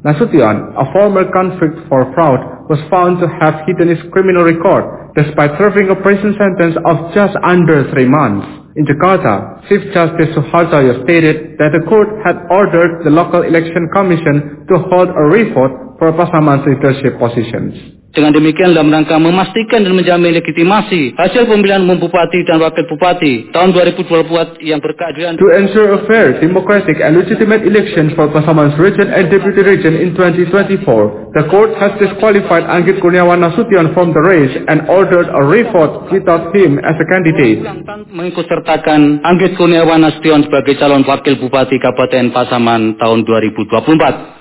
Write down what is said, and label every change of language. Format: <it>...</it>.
<en>Nasution, a former convict for fraud, was found to have hidden his criminal record despite serving a prison sentence of just under 3 months. In Jakarta, Chief Justice Suhartoyo stated that the court had ordered the local election commission to hold a revote for Pasaman's leadership positions.</en> <id>Dengan demikian, dalam rangka memastikan dan menjamin legitimasi hasil pemilihan umum bupati dan wakil bupati tahun 2024 yang berkeadilan.</id> <en>To ensure a fair, democratic, and legitimate election for Pasaman's region and deputy region in 2024, the court has disqualified Anggit Kurniawan Nasution from the race and ordered a revote without him as a candidate.</en> <id>Mengikutsertakan Anggit Kurniawan Nasution sebagai calon wakil bupati Kabupaten Pasaman tahun 2024.</id>